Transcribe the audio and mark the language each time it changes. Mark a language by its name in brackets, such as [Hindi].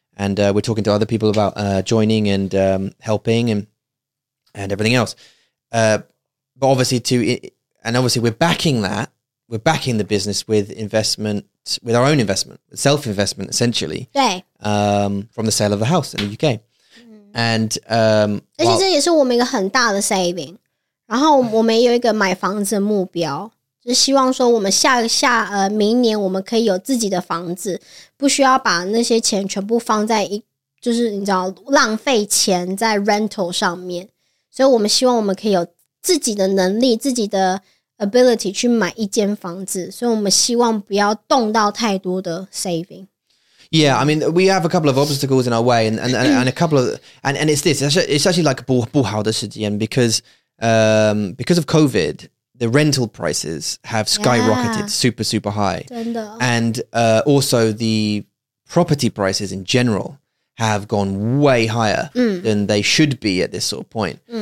[English] And we're talking to other people about joining and helping and everything else. But obviously we're backing that. We're backing the business with investment, with our own investment, self-investment, essentially. Right. From the sale of the house in the UK. And, [Chinese] 而且这也是我们一个很大的 saving. 然后我们有一个买房子的目标, 就希望说我们下下, 明年我们可以有自己的房子, 不需要把那些钱全部放在一, 就是你知道, 浪费钱在rental上面, 所以我们希望我们可以有自己的能力, 自己的 ability 去买一间房子, 所以我们希望不要动到太多的 saving. [English] Yeah, I mean, we have a couple of obstacles in our way, and a couple of, and it's this, it's actually like a 不好的时间, because of COVID, the rental prices have skyrocketed super, super high. [Chinese] 真的. [English] And also the property prices in general have gone way higher than they should be at this sort of point.